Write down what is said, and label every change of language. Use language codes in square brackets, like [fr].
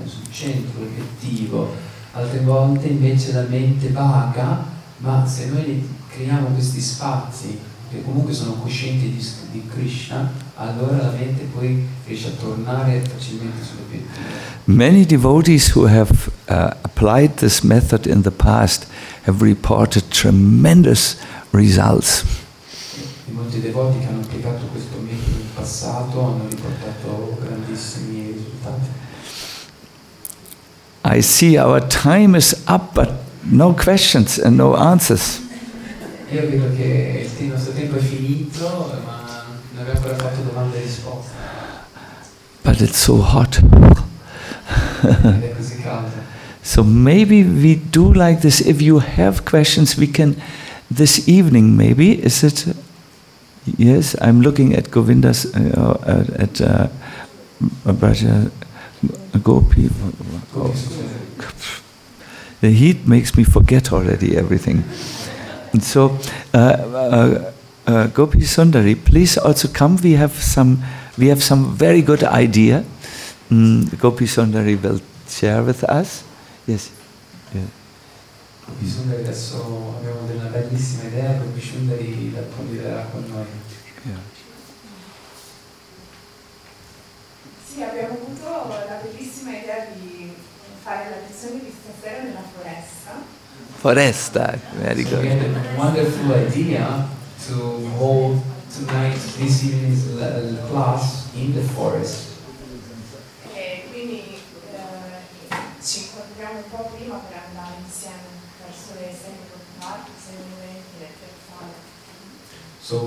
[it] Centro obiettivo, altre volte invece la mente vaga, ma se noi creiamo questi spazi che comunque sono coscienti di Krishna, allora la mente poi riesce a tornare facilmente sull'obiettivo. [en] Many devotees who have applied this method in the past have reported tremendous results. [it] E molti devoti che hanno applicato questo metodo in passato hanno riportato grandissimi risultati. [en] I see our time is up, but no questions and no answers. [it] Io vedo che il nostro tempo è finito, ma non abbiamo ancora fatto domande e risposte. [en] But it's so hot. [it] È così caldo. [en] So maybe we do like this. If you have questions, we can this evening. Maybe is it? Yes, I'm looking at Govinda's Gopi. The heat makes me forget already everything. And so, Gopi Sundari, please also come. We have some very good idea. Gopi Sundari will share with us. Yes. [it] Gopi Sundari, adesso abbiamo una bellissima idea. Gopi Sundari la condividerà con noi. Sì, abbiamo avuto la bellissima idea di fare la lezione di stasera nella foresta. [en] Foresta, very good. So we had a wonderful idea to hold tonight this evening's class in the forest. [it] E quindi ci incontriamo un po' prima per andare insieme verso le 6:00, 6:20 le 3:00.